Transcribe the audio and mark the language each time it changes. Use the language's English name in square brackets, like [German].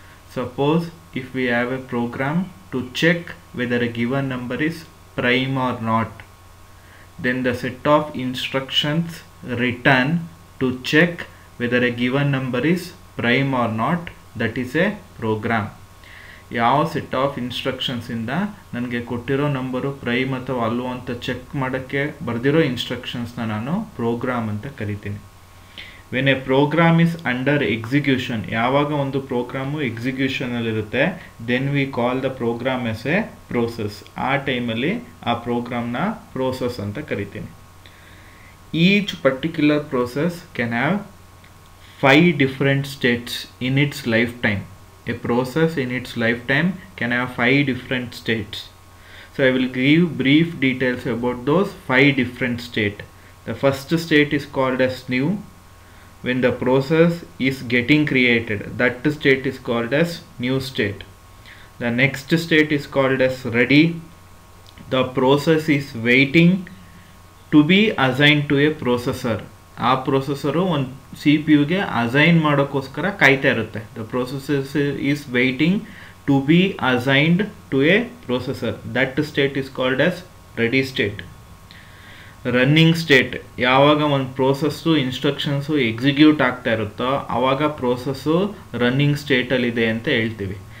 [English] Suppose if we have a program to check whether a given number is prime or not, then the set of instructions written to check whether a given number is prime or not, that is a program. [Kannada] ಯಾವ set of instructions ಇಂದ ನನಗೆ ಕೊಟ್ಟಿರೋ number prime ಅಥವಾ ಅಲ್ಲೋ ಅಂತ check ಮಾಡೋಕ್ಕೆ ಬರೆದಿರೋ ಇನ್ಸ್ಟ್ರಕ್ಷನ್ಸ್ನ ನಾನು ಪ್ರೋಗ್ರಾಮ್ ಅಂತ ಕರಿತೀನಿ. [English] when a program is under execution, [Kannada] ಯಾವಾಗ ಒಂದು programme ಎಕ್ಸಿಕ್ಯೂಷನಲ್ಲಿರುತ್ತೆ, [English] Then we call the program as a process. [Kannada] ಆ ಟೈಮಲ್ಲಿ ಆ ಪ್ರೋಗ್ರಾಮ್ನ ಪ್ರೋಸೆಸ್ ಅಂತ ಕರಿತೀನಿ. [English] Each particular process can have five different states in its lifetime. A process in its lifetime can have five different states. So I will give brief details about those five different states. The first state is called as new, when the process is getting created. That state is called as new state. The next state is called as ready. The process is waiting to be assigned to a processor. [Kannada] ಆ processor ಒಂದು C P ಯುಗೆ assign ಮಾಡೋಕ್ಕೋಸ್ಕರ ಕಾಯ್ತಾ ಇರುತ್ತೆ. [English] The processes is waiting to be assigned to a processor. That state is called as ready state. [Kannada] Running state, ಯಾವಾಗ ಒಂದು process instructions execute ಆಗ್ತಾ ಇರುತ್ತೋ ಆವಾಗ ಪ್ರೊಸೆಸ್ಸು ರನ್ನಿಂಗ್ ಸ್ಟೇಟಲ್ಲಿದೆ ಅಂತ ಹೇಳ್ತೀವಿ.